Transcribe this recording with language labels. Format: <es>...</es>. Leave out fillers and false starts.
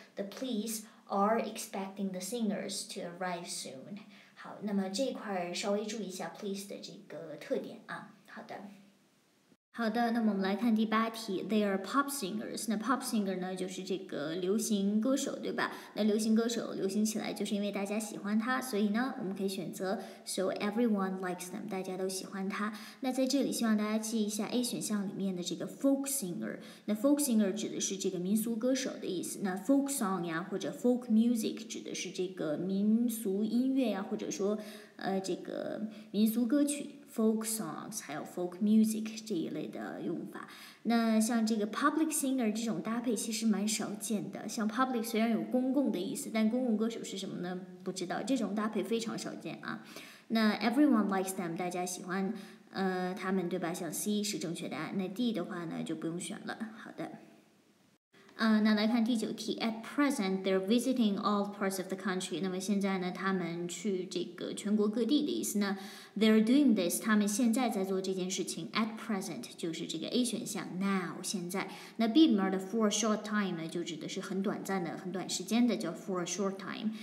<en>The police are expecting the singers to arrive soon。</en> <zh>好，那么这一块稍微注意一下 please 的这个特点啊。好的好的，那么我们来看第八题。</zh> <en>They are pop singers。</en> <zh>那 pop singer 呢就是这个流行歌手，对吧？那流行歌手流行起来就是因为大家喜欢他，所以呢我们可以选择</zh> <en>So everyone likes them，</en> <zh>大家都喜欢他。那在这里希望大家记一下 A 选项里面的这个 folk singer。那 folk singer 指的是这个民俗歌手的意思。那 folk song 呀或者 folk music 指的是这个民俗音乐呀，或者说这个民俗歌曲folk songs 还有 folk music 这一类的用法。那像这个 public singer 这种搭配其实蛮少见的，像 public 虽然有公共的意思，但公共歌手是什么呢？不知道，这种搭配非常少见啊。那</zh> <en>everyone likes them，</en> <zh>大家喜欢他们，对吧？像 C 是正确答案，那 D 的话呢就不用选了。好的那来看第九题。</zh> <en>At present they're visiting all parts of the country。</en> <zh>那么现在呢他们去这个全国各地的意思呢，</zh> <en>they're doing this，</en> <zh>他们现在在做这件事情。 At present 就是这个 A 选项 now 现在。那 B 里面的</zh> <en>for a short time</en> <zh>呢就指的是很短暂的很短时间的，叫 for a short time。</zh>